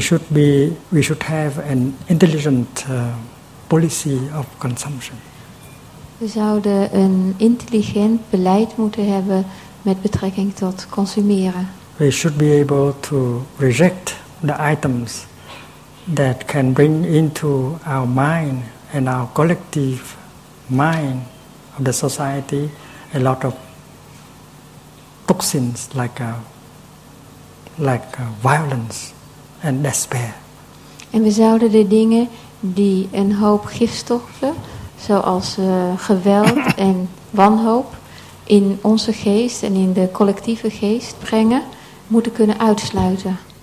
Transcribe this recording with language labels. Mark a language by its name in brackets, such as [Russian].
[English] We should have an intelligent policy of consumption. [Dutch] We zouden een intelligent beleid moeten hebben met betrekking tot consumeren. [English] We should be able to reject the items that can bring into our mind and our collective mind of the society a lot of toxins like violence and despair. [Dutch] En we zouden de dingen die een hoop gifstoffen, zoals geweld en wanhoop, in onze geest en in de collectieve geest brengen, moeten kunnen uitsluiten.